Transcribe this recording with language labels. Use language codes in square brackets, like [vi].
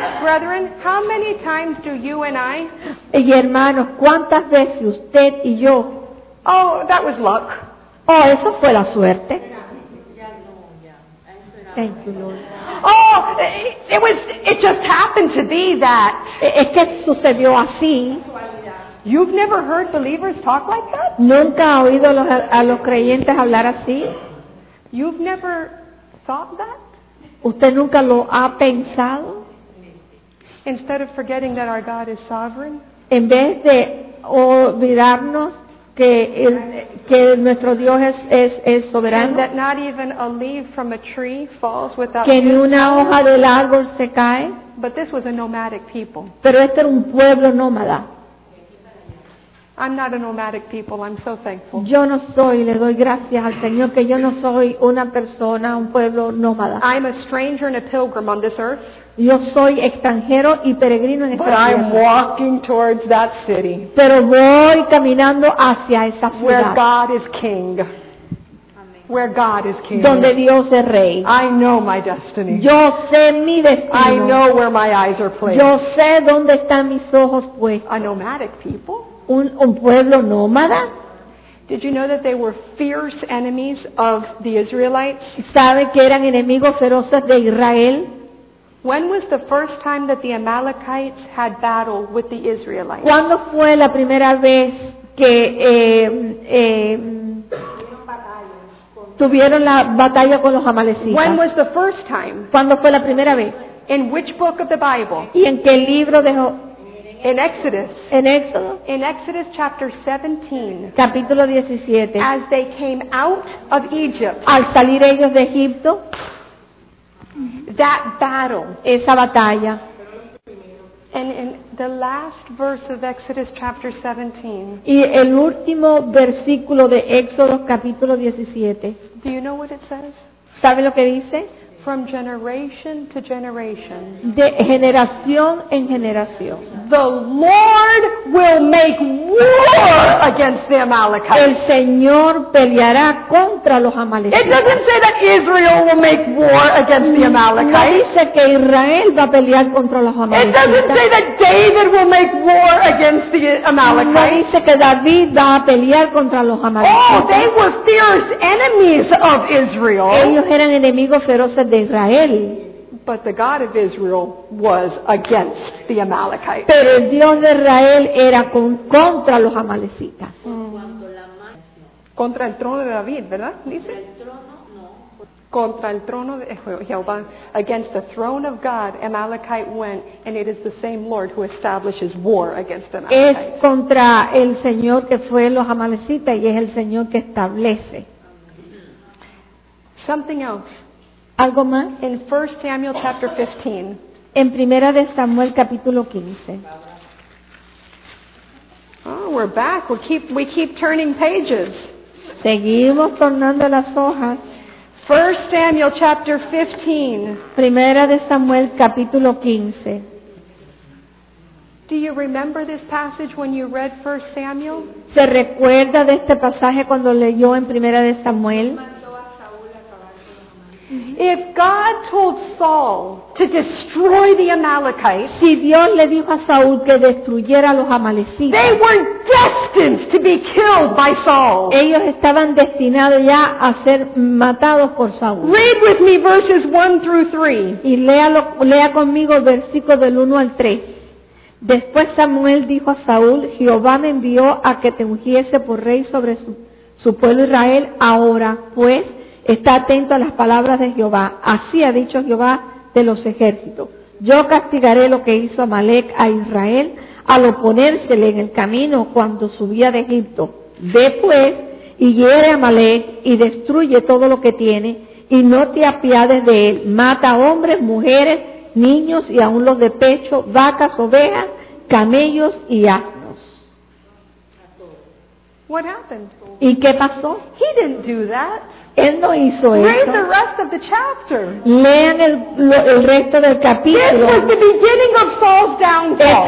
[en] Brethren, how many times do you and I? [es] Y hermanos, ¿cuántas veces usted y yo? [en] Oh, that was luck. [es] Oh, eso fue la suerte. [en] Thank you, Lord. Oh, it just happened to be that. [es] Es que sucedió así. [en] You've never heard believers talk like that? [es] Nunca ha oído a los creyentes hablar así. [en] You've never thought that? [es] ¿Usted nunca lo ha pensado? [en] Instead of forgetting that our God is sovereign? [es] En vez de olvidarnos que nuestro Dios es soberano. [en] And that not even a leaf from a tree falls without. [es] Que ni una hoja del árbol se cae. [en] But this was a nomadic people. [es] Pero este era un pueblo nómada. [en] I'm not a nomadic people. I'm so thankful. [es] Yo no soy, le doy gracias al Señor que yo no soy una persona, un pueblo nómada. [en] I'm a stranger and a pilgrim on this earth. [es] Yo soy extranjero y peregrino en esta tierra. [en] But I'm walking towards that city. [es] Pero voy caminando hacia esa ciudad. [en] Where God is king. Where God is king. [es] Donde Dios es rey. [en] I know my destiny. [es] Yo sé mi destino. [en] I know where my eyes are placed. [es] Yo sé dónde están mis ojos puestos. [en] A nomadic people. [es] Un pueblo nómada. [en] Did you know that they were fierce enemies of the Israelites? [es] ¿Sabe que eran enemigos feroces de Israel? [en] When was the first time that the Amalekites had battle with the Israelites? [es] ¿Cuándo fue la primera vez que tuvieron la batalla con los amalecitas? [en] When was the first time? [es] ¿Cuándo fue la primera vez? [en] In which book of the Bible? [es] ¿Y en qué libro de [en] In Exodus. In Exodus. In Exodus chapter 17. [es] Capítulo 17. [en] As they came out of Egypt. [es] Al salir ellos de Egipto. [en] That battle. [es] Esa batalla. [en] And in the last verse of Exodus chapter 17. [es] Y el último versículo de Éxodo capítulo 17. [en] Do you know what it says? [es] ¿Sabe lo que dice? [en] From generation to generation. [es] De generación en generación. [en] The Lord will make war against the Amalekites. [es] El Señor peleará contra los amalecitas. [en] It doesn't say that Israel will make war against the Amalekites. [es] No dice que Israel va a pelear contra los amalecitas. [en] It doesn't say that David will make war against the Amalekites. [es] No dice que David va a pelear contra los amalecitas. [en] Oh, they were fierce enemies of Israel. [es] Ellos eran enemigos feroces de Israel. [en] But the God of Israel was against the Amalekites. [es] Pero el Dios de Israel era contra los amalecitas. Contra el trono de David, ¿verdad? Dice. Contra el trono de Jehová, [en] against the throne of God, Amalekite went, and it is the same Lord who establishes war against Amalekite. [es] Es contra el Señor que fue los amalecitas y es el Señor que establece. [en] Something else. [es] Algo más. [en] In 1 Samuel chapter 15. [es] En Primera de Samuel capítulo 15. [en] Oh, we're back. We keep turning pages. [es] Seguimos tornando las hojas. [en] 1 Samuel chapter 15. [es] Primera de Samuel capítulo 15. [en] Do you remember this passage when you read 1 Samuel? [es] ¿Se recuerda de este pasaje cuando leyó en Primera de Samuel? [en] If God told Saul to destroy the Amalekites, [es] si Dios le dijo a Saúl que destruyera a los amalecitas, [en] they were destined to be killed by Saul. [es] Ellos estaban destinados ya a ser matados por Saúl. [en] Read with me verses 1 through 3. [es] Y lea conmigo versículos del 1 al 3. Después Samuel dijo a Saúl, Jehová me envió a que te ungiese por rey sobre su pueblo Israel. Ahora, pues, está atento a las palabras de Jehová. Así ha dicho Jehová de los ejércitos. Yo castigaré lo que hizo Amalek a Israel al oponérsele en el camino cuando subía de Egipto. Ve pues y hiere a Amalek y destruye todo lo que tiene y no te apiades de él. Mata hombres, mujeres, niños y aun los de pecho, vacas, ovejas, camellos y asnos. [en] What happened? [es] ¿Y qué pasó? [en] He didn't do that. [es] Él no hizo eso. [en] Read the rest of the chapter. [es] Lean el resto del capítulo. [en] This was the beginning of Saul's downfall.